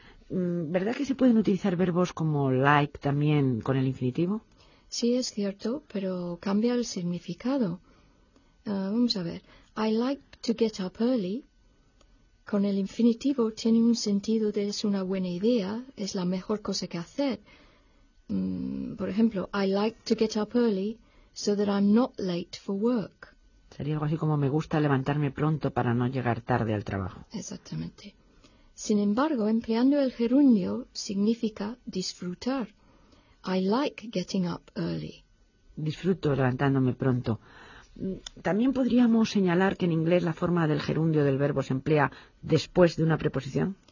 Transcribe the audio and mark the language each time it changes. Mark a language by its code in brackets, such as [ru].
[es] ¿Verdad que se pueden utilizar verbos como like también con el infinitivo? Sí, es cierto, pero cambia el significado. Vamos a ver. [en] I like to get up early. [es] Con el infinitivo tiene un sentido de es una buena idea, es la mejor cosa que hacer. Por ejemplo, [en] I like to get up early so that I'm not late for work. [es] Sería algo así como me gusta levantarme pronto para no llegar tarde al trabajo. Exactamente. Sin embargo, empleando el gerundio significa disfrutar. [en] I like getting up early. [es] Disfruto levantándome pronto. ¿También podríamos señalar que en inglés la forma del gerundio del verbo se emplea después de una preposición?